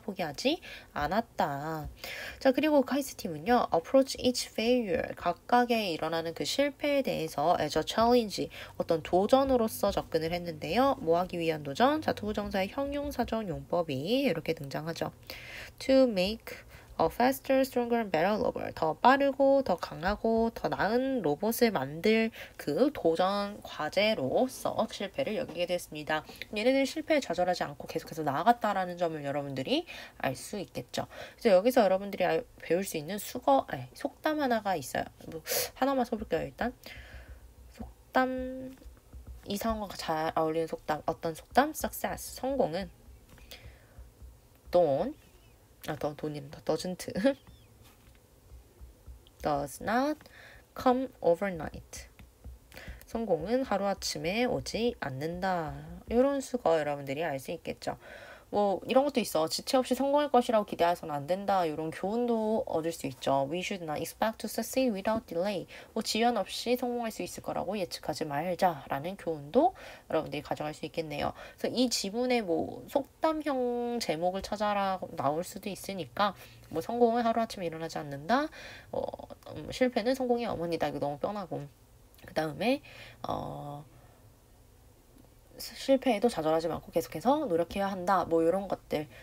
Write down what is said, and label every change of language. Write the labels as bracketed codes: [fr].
[ko] 포기하지 않았다. 자, 그리고 카이스트 팀은요, [en] approach each failure, [ko] 각각의 일어나는 그 실패에 대해서 [en] as a challenge, [ko] 어떤 도전으로서 접근을 했는데요. 뭐 하기 위한 도전, 자, 투부정사의 형용사적 용법이 이렇게 등장하죠. [en] To make a faster, stronger, and better robot. [ko] 더 빠르고, 더 강하고, 더 나은 로봇을 만들 그 도전 과제로서 실패를 여기게 됐습니다. 얘네들 실패에 좌절하지 않고 계속해서 나아갔다라는 점을 여러분들이 알수 있겠죠. 그래서 여기서 여러분들이 배울 수 있는 속담 하나가 있어요. 뭐 하나만 써볼게요, 일단. 속담, 이 상황과 잘 어울리는 속담. 어떤 속담? Success. 성공은 돈. 아, 더 돈입니다. 더즌트. [en] Does not come overnight. [ko] 성공은 하루아침에 오지 않는다. 이런 수거 여러분들이 알수 있겠죠. 뭐 이런 것도 있어. 지체 없이 성공할 것이라고 기대해서는 안 된다. 이런 교훈도 얻을 수 있죠. [en] We should not expect to succeed without delay. [ko] 뭐 지연 없이 성공할 수 있을 거라고 예측하지 말자라는 교훈도 여러분들이 가져갈 수 있겠네요. 그래서 이 지문에 뭐 속담형 제목을 찾아라 나올 수도 있으니까 뭐 성공은 하루아침에 일어나지 않는다. 실패는 성공의 어머니다. 이거 너무 뻔하고. 그다음에 실패에도 좌절하지 않고 계속해서 노력해야 한다. 뭐 이런 것들.